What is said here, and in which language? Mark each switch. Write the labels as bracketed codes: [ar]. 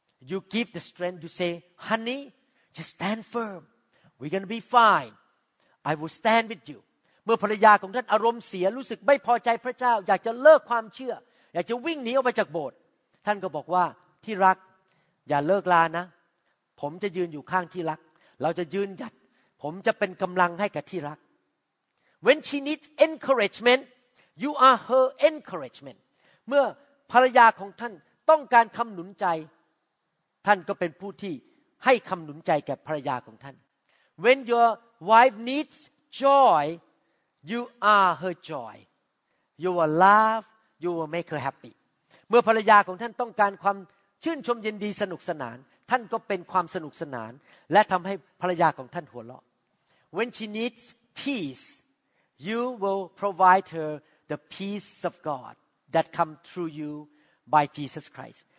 [en] you give the strength to say honey just stand firm we're going to be fine I will stand with you [th] เมื่อภรรยาของท่านอารมณ์เสียรู้สึกไม่พอใจพระเจ้าอยากจะเลิกความเชื่ออยากจะวิ่งหนีออกไปจากโบสถ์ท่านก็บอกว่าที่รักอย่าเลิกลานะผมจะยืนอยู่ข้างที่รักเราจะยืนหยัดผมจะเป็นกำลังให้กับที่รัก [en] When she needs encouragement, you are her encouragement. [th] เมื่อภรรยาของท่านต้องการคำหนุนใจท่านก็เป็นผู้ที่ให้คำหนุนใจแก่ภรรยาของท่าน [en] When your wife needs joy, you are her joy. You will laugh, you will make her happy. [th] เมื่อภรรยาของท่านต้องการความชื่นชมยินดีสนุกสนานท่านก็เป็นความสนุกสนานและทำให้ภรรยาของท่านหัวเราะ [en] When she needs peace,You will provide her the peace of God that come through you by Jesus Christ.